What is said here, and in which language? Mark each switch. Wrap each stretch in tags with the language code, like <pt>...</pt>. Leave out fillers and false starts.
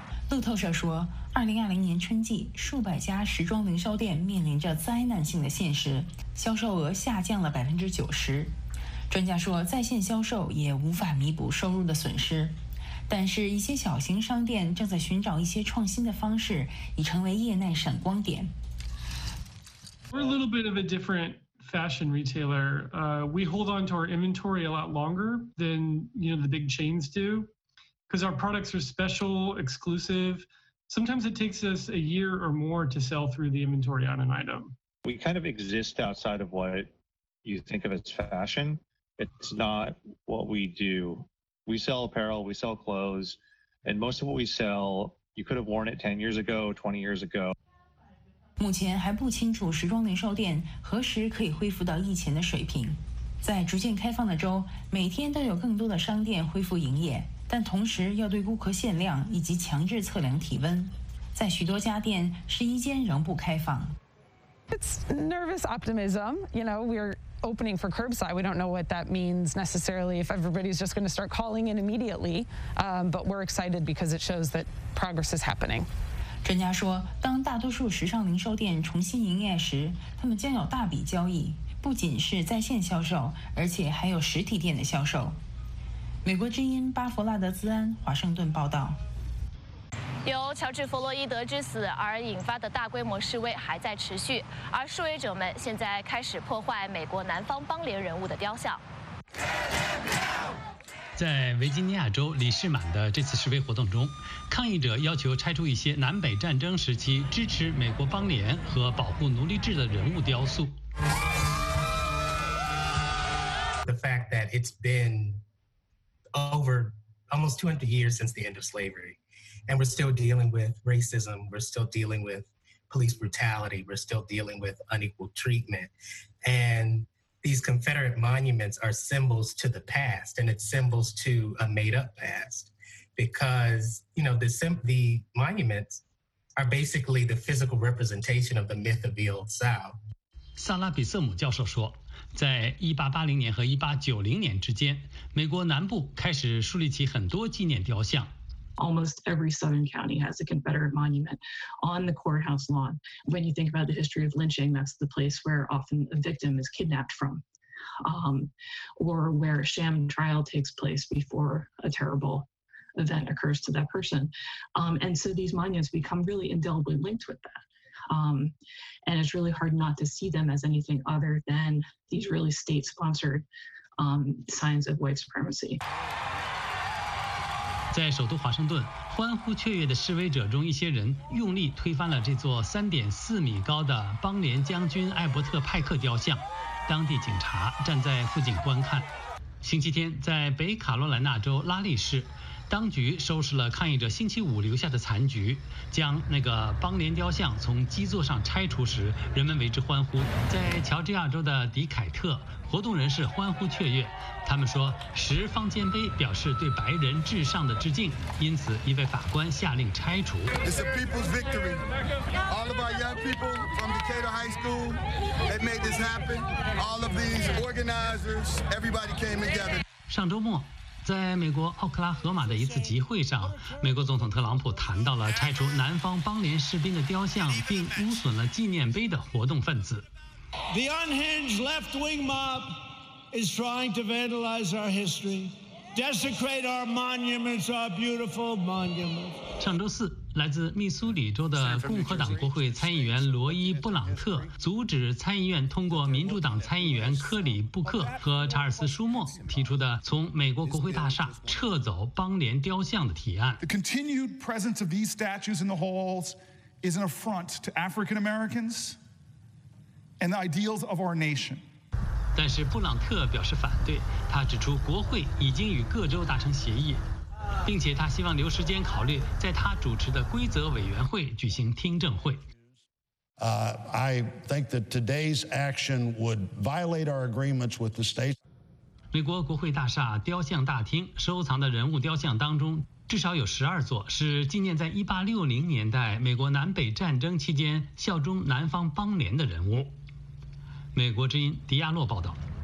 <zh>路透社说，2020年春季，数百家时装零售店面临着灾难性的现实，销售额下降了90%。专家说，在线销售也无法弥补收入的损失，但是一些小型商店正在寻找一些创新的方式，已成为业内闪光点。</zh> <en>We're a little bit of a different fashion retailer. We hold on to our inventory a lot longer than you know the big chains do, because our products are special, exclusive. Sometimes it takes us a year or more to sell through the inventory on an item. We kind of exist outside of what you think of as fashion. It's not what we do. We sell apparel, we sell clothes, and most of what we sell, you could have worn it 10 years ago, 20 years ago.</en> <zh>目前还不清楚时装零售店何时可以恢复到疫情的水平。在逐渐开放的州，每天都有更多的商店恢复营业，但同时要对顾客限量以及强制测量体温。在许多家店，11间仍不开放。</zh> <en>It's nervous optimism. You know, we're opening for curbside. We don't know what that means necessarily, if everybody's just going to start calling in immediately. But we're excited because it shows that progress is happening.</en> <zh>专家说，当大多数时尚零售店重新营业时，他们将有大笔交易，不仅是在线销售，而且还有实体店的销售。美国之音巴佛拉德兹安，华盛顿报道。由乔治·弗洛伊德之死而引发的大规模示威还在持续，而示威者们现在开始破坏美国南方邦联人物的雕像。在维吉尼亚州里士满的这次示威活动中，抗议者要求拆除一些南北战争时期支持美国邦联和保护奴隶制的人物雕塑。</zh> <en>The fact that it's been over almost 200 years since the end of slavery. And we're still dealing with racism, we're still dealing with police brutality, we're still dealing with unequal treatment. And these Confederate monuments are symbols to the past, and it's symbols to a made-up past. Because, you know, the monuments are basically the physical representation of the myth of the Old South.</en> <zh>萨拉比瑟姆教授说，在1880年和1890年之间，美国南部开始树立起很多纪念雕像。</zh> <en>Almost every southern county has a Confederate monument on the courthouse lawn. When you think about the history of lynching, that's the place where often a victim is kidnapped from, or where a sham trial takes place before a terrible event occurs to that person. And so these monuments become really indelibly linked with that. And it's really hard not to see them as anything other than these really state-sponsored signs of white supremacy.</en> <zh>在首都华盛顿，欢呼雀跃的示威者中，一些人用力推翻了这座3.4米高的邦联将军艾伯特·派克雕像。当地警察站在附近观看。星期天，在北卡罗来纳州拉利市，当局收拾了抗议者星期五留下的残局，将那个邦联雕像从基座上拆除时，人们为之欢呼。在乔治亚州的迪凯特，活动人士欢呼雀跃，他们说十方尖碑表示对白人至上的致敬，因此一位法官下令拆除。</zh> <en>It's a people's victory. All of our young people from Decatur High School, they made this happen. All of these organizers, everybody came together.</en> <zh>上周末，在美国奥克拉荷马的一次集会上，美国总统特朗普谈到了拆除南方邦联士兵的雕像并污损了纪念碑的活动分子。</zh> <en>The unhinged left-wing mob is trying to vandalize our history, desecrate our monuments, our beautiful monuments.</en> <zh>上周四，来自密苏里州的共和党国会参议员罗伊·布朗特阻止参议院通过民主党参议员科里·布克和查尔斯·舒默提出的从美国国会大厦撤走邦联雕像的提案。</zh> <en>The continued presence of these statues in the halls is an affront to African Americans and the ideals of our nation.</en> <zh>但是布朗特表示反对，他指出国会已经与各州达成协议，并且他希望留时间考虑在他主持的规则委员会举行听证会。</zh> <en>I think that today's action would violate our agreements with the state.</en> <zh>美国国会大厦雕像大厅收藏的人物雕像当中，至少有12座是纪念在1860年代美国南北战争期间效忠南方邦联的人物。美国之音迪亚洛报道。</zh>